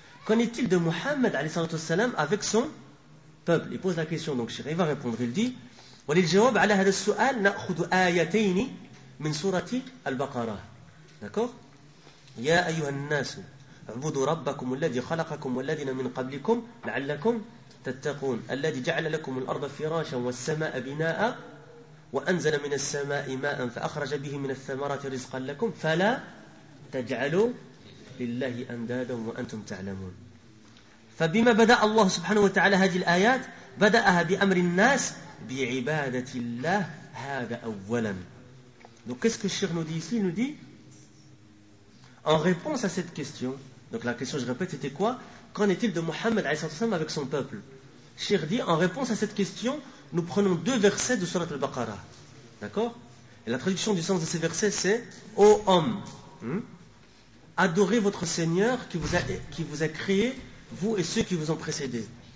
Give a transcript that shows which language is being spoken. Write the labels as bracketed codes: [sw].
[fr] Qu'en est-il de Muhammad, alayhi salatu wa salam, avec son peuple? Il pose la question, donc, cheikh, il va répondre, il dit, وللجواب على هذا السؤال نأخذ آيتين من سورة البقرة. D'accord? [ar] يا أيها الناس اعبدوا ربكم الذي خلقكم والذين من قبلكم لعلكم تتقون الذي جعل لكم الأرض فراشا والسماء بناء وأنزل من السماء ماء فأخرج به من الثمرات رزقا لكم فلا تجعلوا لله أندادا وأنتم تعلمون. فبما بدأ الله سبحانه وتعالى هذه الآيات بدأها بأمر الناس bi'ibadatillah hada awwalan. [fr] Donc qu'est-ce que le cheikh nous dit ici? Il nous dit, en réponse à cette question, donc la question, je répète, c'était quoi? Qu'en est-il de Muhammad a.s. avec son peuple? Le cheikh dit, en réponse à cette question, nous prenons deux versets de surat al-Baqarah. D'accord? Et la traduction du sens de ces versets, c'est ô homme, adorez votre Seigneur qui vous a créé, vous et ceux qui vous ont précédé.